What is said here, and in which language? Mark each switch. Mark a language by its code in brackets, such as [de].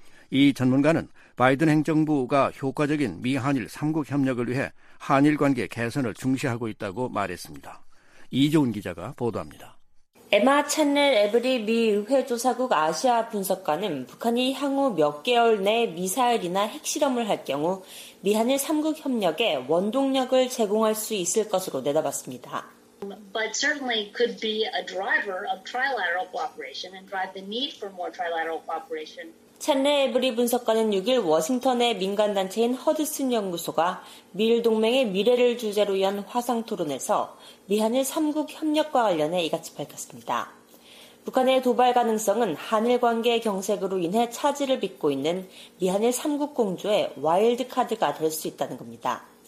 [ko] 이 전문가는 바이든 행정부가 효과적인 미한일 3국 협력을 위해 한일 관계 개선을 중시하고 있다고 말했습니다. 이조은 기자가 보도합니다. 에마 채널 에브리 미 의회 조사국 아시아 분석가는 북한이 향후 몇 개월 내 미사일이나 핵실험을 할 경우 미한일 3국 협력에 원동력을 제공할 수 있을 것으로 내다봤습니다. [en] But certainly could be a driver of trilateral cooperation and drive the need for more trilateral cooperation. [ko] 채널 에브리 분석가는 6일 워싱턴의 민간단체인 허드슨 연구소가 미일 동맹의 미래를 주제로 연 화상토론에서 미한일 3국 협력과 관련해 이같이 밝혔습니다. 북한의 도발 가능성은 한일 관계 경색으로 인해 차질을 빚고 있는 미한일 3국 공조의 와일드카드가 될 수 있다는 겁니다.